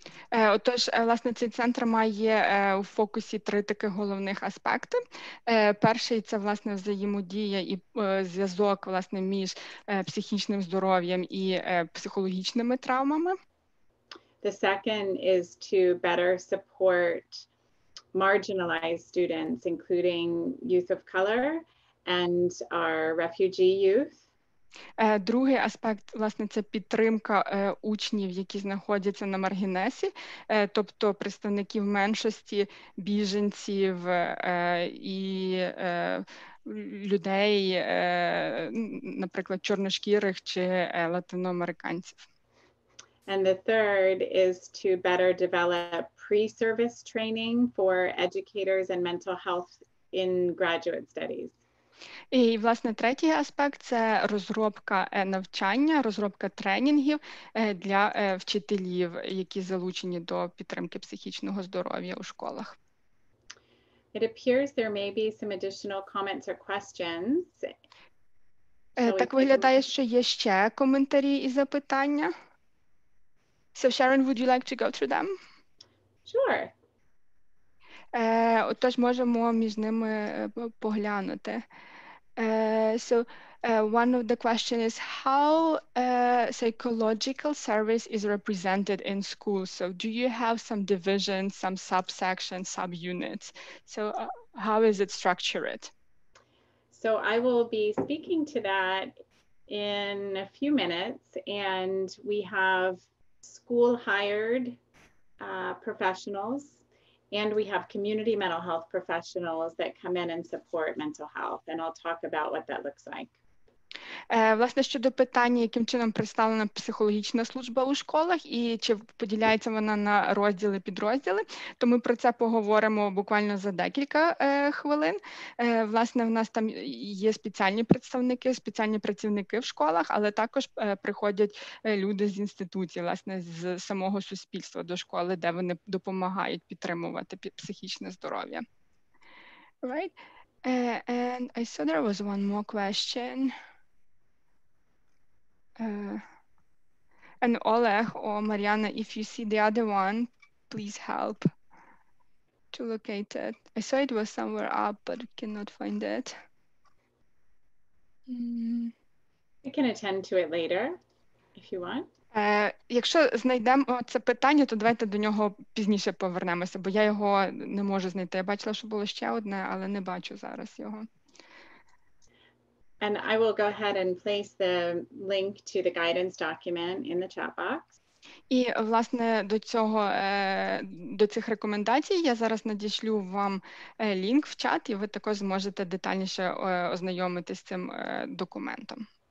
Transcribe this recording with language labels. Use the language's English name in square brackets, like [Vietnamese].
[Ukrainian] Отож, власне, цей центр має у фокусі три таких головних аспекти. Перший – це, власне, взаємодія і зв'язок, власне, між психічним здоров'ям і психологічними травмами. [English] The second is to better support marginalized students, including youth of color and our refugee youth. [Ukrainian] Другий аспект, власне, це підтримка учнів, які знаходяться на маргінесі, тобто представників меншості, біженців і людей, наприклад, чорношкірих чи латиноамериканців. [English] And the third is to better develop pre-service training for educators and mental health in graduate studies. [Ukrainian] І, власне, третій аспект – це розробка навчання, розробка тренінгів для вчителів, які залучені до підтримки психічного здоров'я у школах. [English] It appears there may be some additional comments or questions. [Ukrainian] Так виглядає, що є ще коментарі і запитання. [English] So, Sharon, would you like to go through them? Sure. [Ukrainian] Отож, можемо між ними поглянути. [English] One of the questions is how psychological service is represented in schools. So do you have some divisions, some subsections, subunits? So how is it structured? So I will be speaking to that in a few minutes. And we have school hired professionals. And we have community mental health professionals that come in and support mental health. And I'll talk about what that looks like. [Ukrainian] Власне, щодо питання, яким чином представлена психологічна служба у школах і чи поділяється вона на розділи, підрозділи, то ми про це поговоримо буквально за декілька хвилин. Власне, в нас там є спеціальні представники, спеціальні працівники в школах, але також приходять люди з інституцій, власне, з самого суспільства до школи, де вони допомагають підтримувати психічне здоров'я. [English] Right? And I saw there was one more question. And Oleg or Mariana, if you see the other one, please help to locate it. I saw it was somewhere up, but cannot find it. I can attend to it later, if you want. [Ukrainian] Якщо знайдемо це питання, то давайте до нього пізніше повернемося, бо я його не можу знайти. Я бачила, що було ще одне, але не бачу зараз його. [English] And I will go ahead and place the link to the guidance document in the chat box. [Ukrainian] І, власне, до цих рекомендацій я зараз надішлю вам лінк в чат, і ви також зможете детальніше ознайомитись з цим документом.